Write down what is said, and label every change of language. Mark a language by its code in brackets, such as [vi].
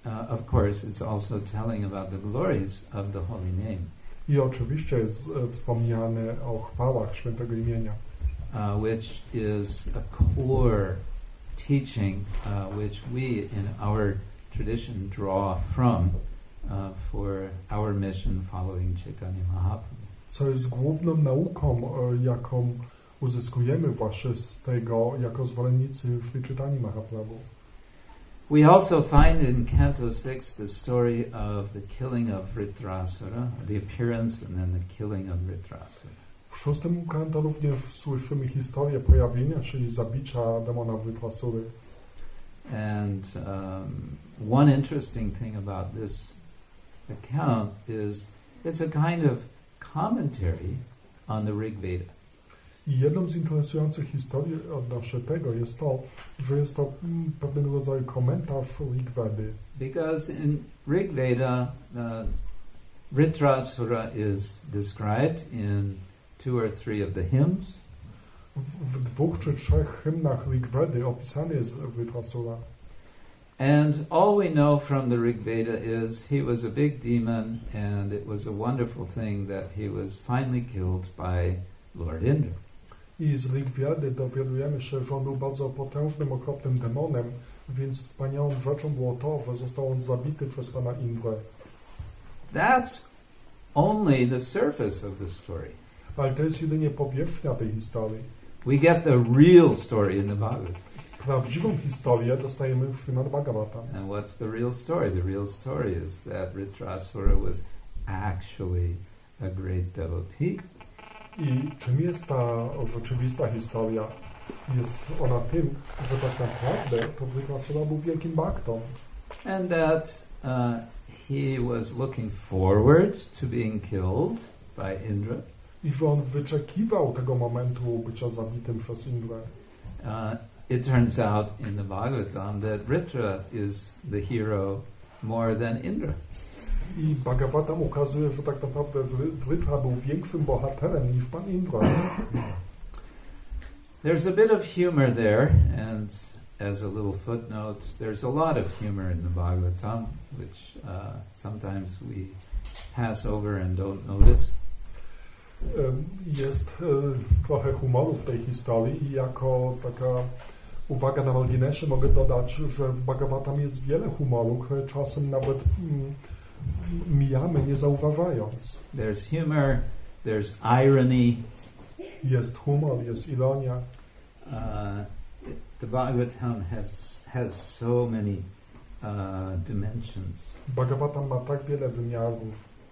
[en] Of course it's also telling about the glories of the holy name. [pl] I oczywiście jest wspomniane o chwałach świętego imienia. [en] Which is a core teaching which we in our tradition draw from for our mission following Chaitanya Mahaprabhu. [pl] Co jest główną nauką, jaką uzyskujemy właśnie z tego, jako zwolennicy Śri Chaitanya Mahaprabhu. [en] We also find in Canto 6 the story of the killing of Ritrasura, the appearance and then the killing of Ritrasura. [pl] W szóstym kanto również słyszymy historię pojawienia, czyli zabicia demona Vritrasury. [en] And one interesting thing about this account is it's a kind of commentary on the Rig Veda. [pl] I jedną z interesujących historii odnośnie tego jest to, że jest to pewnego rodzaju komentarz Rig Vedy. [en] Because in Rig Veda, Ritrasura is described in two or three of the hymns. [pl] W dwóch czy trzech hymnach Rig Vedy opisany jest Ritrasura. [en] And all we know from the Rig Veda is he was a big demon and it was a wonderful thing that he was finally killed by Lord Indra. [pl] I z Rig Vedy dowiadujemy się, że on był bardzo potężnym, okropnym demonem, więc wspaniałą rzeczą było to, że został on zabity przez pana Indrę. [en] That's only the surface of the story. [pl] Ale to jest jedynie powierzchnia tej historii. [en] We get the real story in the Bhagavad. [pl] Prawdziwą historię dostajemy w Śrimad Bhagavatam. [en] And what's the real story? The real story is that Ritrasura was actually a great devotee. [pl] I czym jest ta rzeczywista historia? Jest ona tym, że tak naprawdę to Ritrasura był wielkim baktą. [en] And that he was looking forward to being killed by Indra. [pl] I że on wyczekiwał tego momentu bycia zabitym przez Indrę. [en] It turns out in the Bhagavatam that Ritra is the hero more than Indra. [pl] I Bhagavatam ukazuje, że tak naprawdę Ritra był większym bohaterem niż pan Indra. [en] There's a bit of humor there, and as a little footnote, there's a lot of humor in the Bhagavatam, which sometimes we pass over and don't notice. [pl] Jest trochę humoru w tej historii i jako taka uwaga na marginesie mogę dodać, że w Bhagavatam jest wiele humoru, które czasem nawet mijamy, nie zauważając. [en] There's humor, there's irony. [pl] Jest humor, jest ironia. [en] The Bhagavatam has so many dimensions. [pl] Bhagavatam ma tak wiele wymiarów.